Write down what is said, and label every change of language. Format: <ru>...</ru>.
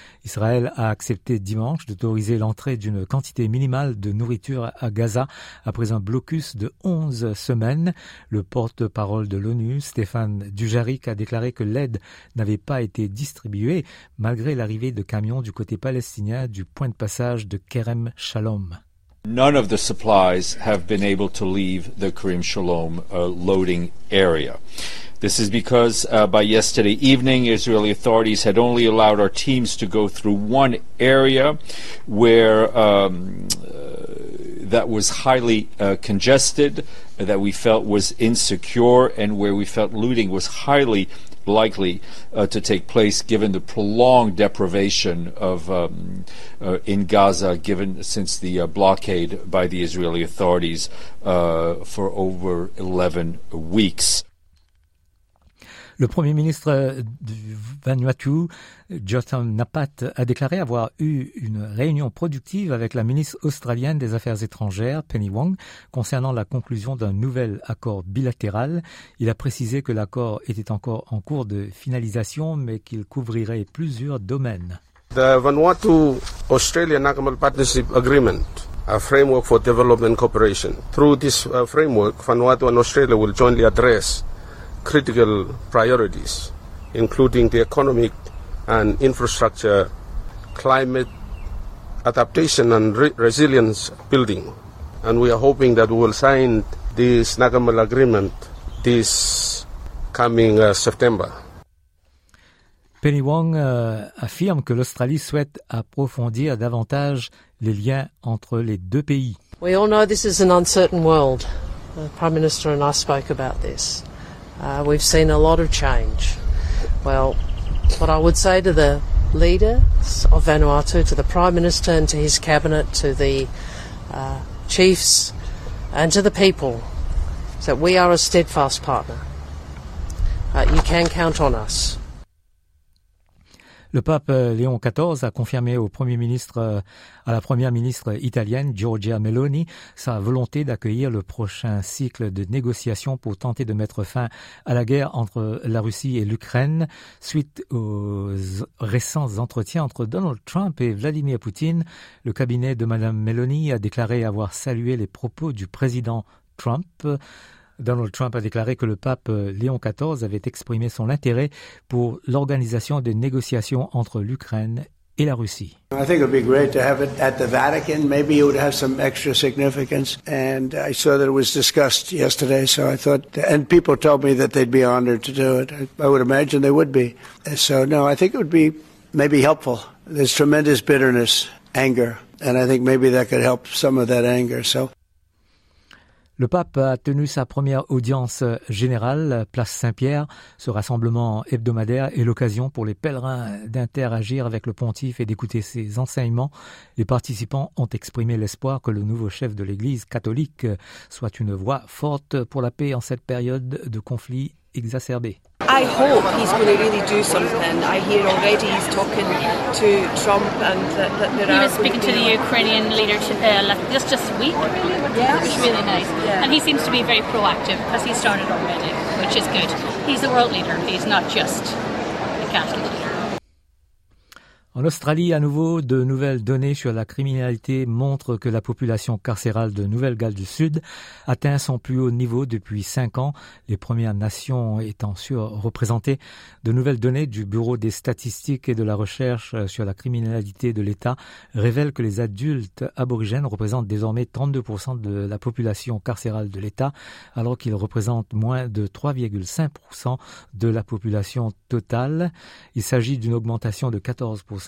<fr>Israël a accepté dimanche d'autoriser l'entrée d'une quantité minimale de nourriture à Gaza après un blocus de 11 semaines. Le porte-parole de l'ONU, Stéphane Dujarric, a déclaré que l'aide n'avait pas été distribuée malgré l'arrivée de camions du côté palestinien du point de passage de Kerem Shalom.</fr> <en>None of the supplies have been able to leave the Kerem Shalom loading area. This is because by yesterday evening, Israeli authorities had only allowed our teams to go through one area where that was highly congested, that we felt was insecure, and where we felt looting was highly likely to take place given the prolonged deprivation of in Gaza given since the blockade by the Israeli authorities for over 11 weeks.</en> <fr>Le Premier ministre du Vanuatu, Jotham Napat, a déclaré avoir eu une réunion productive avec la ministre australienne des Affaires étrangères, Penny Wong, concernant la conclusion d'un nouvel accord bilatéral. Il a précisé que l'accord était encore en cours de finalisation, mais qu'il couvrirait plusieurs domaines.</fr> <en>The Vanuatu-Australian Nakamal Partnership Agreement, a framework for development cooperation. Through this framework, Vanuatu and Australia will jointly address critical priorities, including the economic and infrastructure, climate adaptation and resilience building. And we are hoping that we will sign this Nagamal agreement this coming September.</en> <fr>Penny Wong affirme que l'Australie souhaite approfondir davantage les liens entre les deux pays.</fr> <en>We all know this is an uncertain world. The Prime Minister and I spoke about this. We've seen a lot of change. Well, what I would say to the leaders of Vanuatu, to the Prime Minister and to his cabinet, to the chiefs and to the people, is that we are a steadfast partner. You can count on us.</en> <fr>Le pape Léon XIV a confirmé au Premier ministre, à la Première ministre italienne, Giorgia Meloni, sa volonté d'accueillir le prochain cycle de négociations pour tenter de mettre fin à la guerre entre la Russie et l'Ukraine. Suite aux récents entretiens entre Donald Trump et Vladimir Poutine, le cabinet de Madame Meloni a déclaré avoir salué les propos du président Trump. Donald Trump a déclaré que le pape Léon XIV avait exprimé son intérêt pour l'organisation des négociations entre l'Ukraine et la Russie.</fr> <en>I think it would be great to have it at the Vatican. Maybe it would have some extra significance. And I saw that it was discussed yesterday, so I thought, and people told me that they'd be honored to do it. I would imagine they would be. So no, I think it would be maybe helpful. There's tremendous bitterness, anger, and I think maybe that could help some of that anger. So.</en> <fr>Le pape a tenu sa première audience générale, place Saint-Pierre. Ce rassemblement hebdomadaire est l'occasion pour les pèlerins d'interagir avec le pontife et d'écouter ses enseignements. Les participants ont exprimé l'espoir que le nouveau chef de l'Église catholique soit une voix forte pour la paix en cette période de conflit exacerbé.</fr> <en>I hope he's going to really do something. I hear already he's talking to Trump and that there he are... He was speaking to the Ukrainian leader just a week, really, which was really nice. Yeah. And he seems to be very proactive because he started already, which is good. He's a world leader. He's not just a Catholic leader.</en> <fr>En Australie, à nouveau, de nouvelles données sur la criminalité montrent que la population carcérale de Nouvelle-Galles du Sud atteint son plus haut niveau depuis 5 ans, les Premières Nations étant surreprésentées. De nouvelles données du Bureau des statistiques et de la recherche sur la criminalité de l'État révèlent que les adultes aborigènes représentent désormais 32% de la population carcérale de l'État, alors qu'ils représentent moins de 3,5% de la population totale. Il s'agit d'une augmentation de 14%.</fr>